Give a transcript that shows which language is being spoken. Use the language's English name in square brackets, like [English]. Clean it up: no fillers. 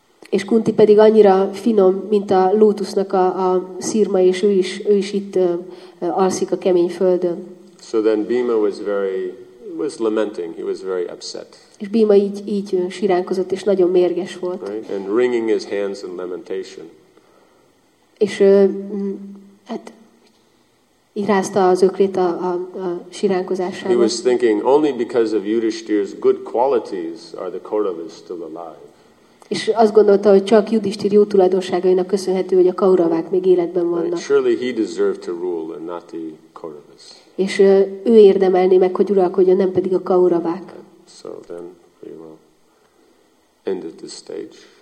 [Hungarian] És Kunti pedig annyira finom, mint a lótusznak a szirma, és ő is itt alszik a kemény földön. [English] So then Bhima was lamenting, he was very upset. [Hungarian] És Bhima így siránkozott, és nagyon mérges volt. [English] Right? And wringing his hands in lamentation. [Hungarian] És hát irázta az ökrét a siránkozásával. [English] He was thinking only because of Yudhishthira's good qualities are the Kauravas still alive. [Hungarian] És azt gondolta, hogy csak Yudhishthira jó tulajdonságainak köszönhető, hogy a Kauravák még életben vannak. [English] Right. Surely he deserved to rule and not the Kauravas. [Hungarian] És ő érdemelné meg, hogy uralkodjon, nem pedig a Kauravák. [English] So then we will end at this stage.